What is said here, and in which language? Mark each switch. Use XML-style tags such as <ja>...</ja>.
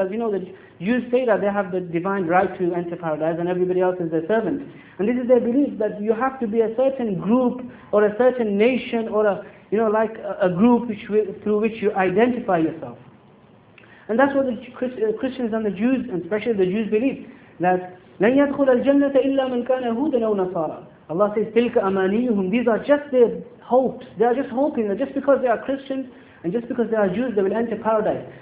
<en>As you know, the Jews say that they have the divine right to enter paradise and everybody else is their servant. And this is their belief that you have to be a certain group or a certain nation or a, you know, like a group which will, through which you identify yourself. And that's what the Christians and the Jews, and especially the Jews, believe.</en> <ar>That لَنْ يَدْخُلَ الْجَنَّةَ إِلَّا مَنْ كَانَ هُودًا أَوْ نَصَارًا.</ar> <en>Allah says,</en> <ar>تِلْكَ أَمَانِيُّهُمْ.</ar> <en>These are just their hopes. They are just hoping that just because they are Christians and just because they are Jews, they will enter paradise.</en>